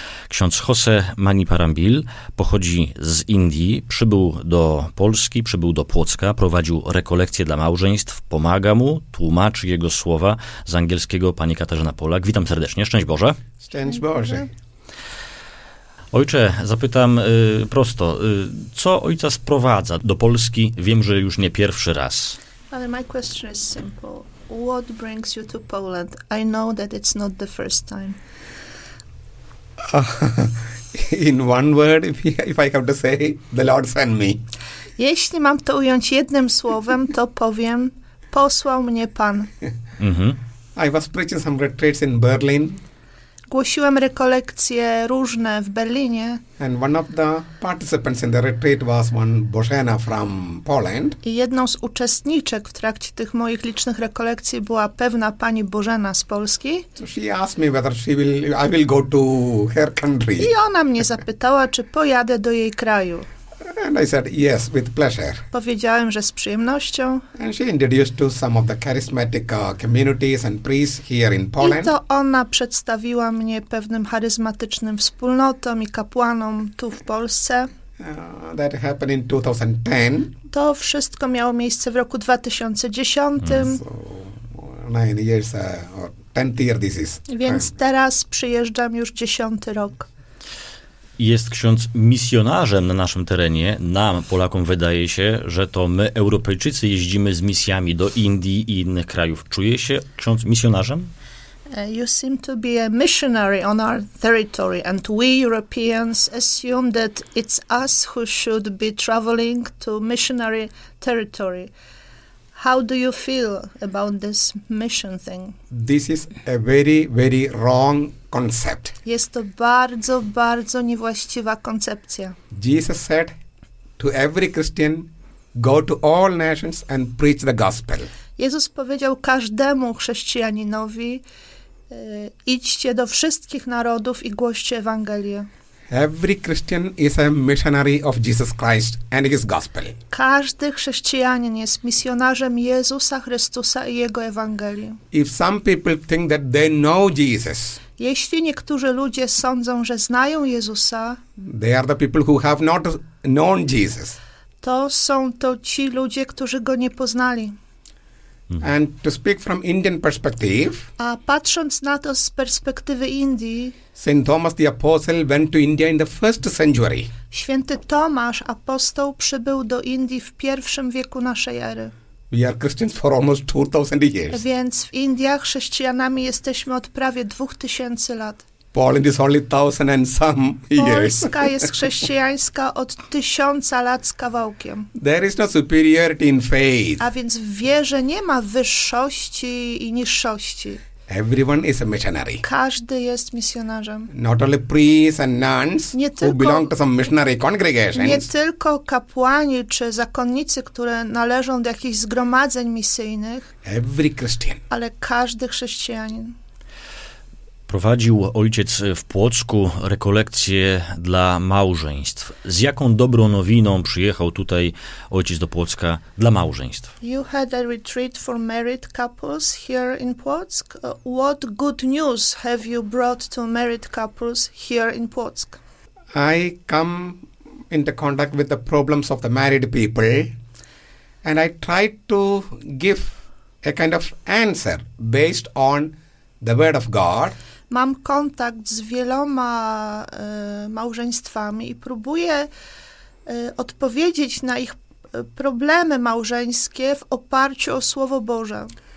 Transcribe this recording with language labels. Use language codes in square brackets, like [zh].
[pl] Ksiądz José Mani Parambil pochodzi z Indii, przybył do Polski, przybył do Płocka, prowadził rekolekcje dla małżeństw, pomaga mu, tłumaczy jego słowa z angielskiego pani Katarzyna Polak. Witam serdecznie, szczęść Boże. Szczęść Boże. Ojcze, zapytam prosto, co ojca sprowadza do Polski? Wiem, że już nie pierwszy raz. [en] Father, my question is simple. What brings you to Poland? I know that it's not the first time. In one word, if I have to say, the Lord sent me. [pl] Jeśli mam to ująć jednym słowem, to powiem, posłał mnie Pan. Mm-hmm. [en] I was preaching some retreats in Berlin. [pl] Głosiłem rekolekcje różne w Berlinie. [en] And one of the participants in the retreat was one Bożena from Poland. [pl] I jedną z uczestniczek w trakcie tych moich licznych rekolekcji była pewna pani Bożena z Polski. [en] So she asked me whether I will go to her country. [pl] I ona mnie zapytała, czy pojadę do jej kraju. [en] And I said yes, with pleasure. [pl] Powiedziałem, że z przyjemnością. [en] And she introduced to some of the charismatic communities and priests here in Poland. [pl] I to ona przedstawiła mnie pewnym charyzmatycznym wspólnotom i kapłanom tu w Polsce. [en] That happened in 2010. [pl] To wszystko miało miejsce w roku 2010. [en] So, 9 years, or 10th year this is. [pl] Więc teraz przyjeżdżam już 10 rok. Jest ksiądz misjonarzem na naszym terenie. Nam, Polakom, wydaje się, że to my, Europejczycy, jeździmy z misjami do Indii i innych krajów. Czuje się ksiądz misjonarzem? [en] You seem to be a missionary on our territory, and we Europeans assume that it's us who should be traveling to missionary territory. How do you feel about this mission thing? This is a very, very wrong concept. [pl] Jest to bardzo, bardzo niewłaściwa koncepcja. [en] Jesus said to every Christian, go to all nations and preach the gospel. [pl] Jezus powiedział każdemu chrześcijaninowi, idźcie do wszystkich narodów i głoście Ewangelię. [en] Every Christian is a missionary of Jesus Christ and his gospel. [pl] Każdy chrześcijanin jest misjonarzem Jezusa Chrystusa i jego Ewangelii. [en] If some people think that they know Jesus, [pl] jeśli niektórzy ludzie sądzą, że znają Jezusa, [en] they are the people who have not known Jesus. [pl] To są to ci ludzie, którzy go nie poznali. Mm-hmm. [en] And to speak from Indian perspective. [pl] A patrząc na to z perspektywy Indii. [en] Saint Thomas the Apostle went to India in the first century. [pl] Święty Tomasz apostoł przybył do Indii w pierwszym wieku naszej ery. [en] We are Christians for almost 2000 years. [pl] Więc w Indiach chrześcijanami jesteśmy od prawie 2000 lat. [en] Poland is only 1000 and some years. [pl] Polska jest chrześcijańska od 1000 lat z kawałkiem. [en] There is no superiority in faith. [pl] A więc w wierze nie ma wyższości i niższości. [en] Everyone is a missionary. [pl] Każdy jest misjonarzem. [en] Not only priests and nuns who belong to some missionary congregations. [pl] Nie tylko kapłani czy zakonnicy, które należą do jakichś zgromadzeń misyjnych. [en] Every Christian. [pl] Ale każdy chrześcijanin. Prowadził ojciec w Płocku rekolekcje dla małżeństw. Z jaką dobrą nowiną przyjechał tutaj ojciec do Płocka dla małżeństw? [en] You had a retreat for married couples here in Płock. What good news have you brought to married couples here in Płock? I come into contact with the problems of the married people and I try to give a kind of answer based on the word of God. [pl] Mam kontakt z wieloma małżeństwami i próbuję odpowiedzieć na ich problemy małżeńskie w oparciu o Słowo Boże.